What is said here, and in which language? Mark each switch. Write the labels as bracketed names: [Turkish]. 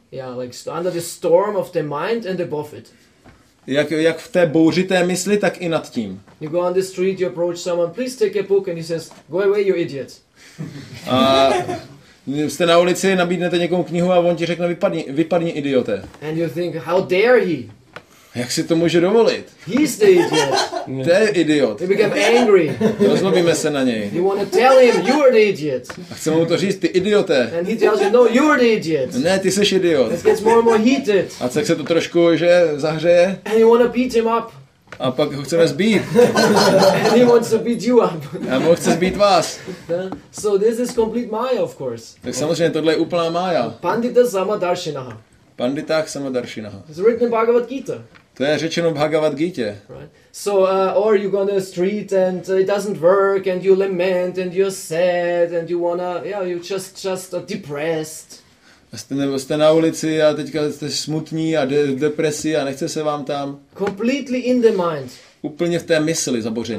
[English] Yeah, like under the storm of the mind and above it. [Czech] Jak v té bouři té mysli, tak i nad tím. [English] You go on the street, you approach someone, please take a book, and he says, go away, you idiot. [Czech] Jste na ulici, nabídnete někomu knihu a on ti řekne, vypadni idiote. [English] And you think, how dare he? [Czech] Jak si to může dovolit? [English] He's the idiot. [Czech] To je idiot. [English] He became angry. [Czech] Rozlobíme se na něj. [English] You want to tell him, you're the idiot. [Czech] A chce mu to říct, ty idiote. [English] And he tells you, no, you're the idiot. [Czech] Ne, ty seš idiot. [English] It gets more and more heated. [Czech] A tak se to trošku, že, zahřeje. [English] And you want to beat him up. [Czech] A pak ho chceme zbít. [English] And he wants to beat you up. [Czech] A mu chce zbít vás. [English] So this is complete Maya, of course. [Czech] Tak samozřejmě, tohle je úplná Maya. [Sanskrit] Pandita Samadarshinaha. Panditách Samadarshinaha. [English] It's written in Bhagavad Gita. [Czech] To je řečeno v Bhagavad Gita. [English] Right. So or you go on the street and it doesn't work and you lament and you're sad and you wanna you just depressed. [Czech] Jste na ulici a teďka jste smutní a depresi a nechce se vám tam. [English] Completely in the mind. [Czech] Úplně v té mysli zabořený.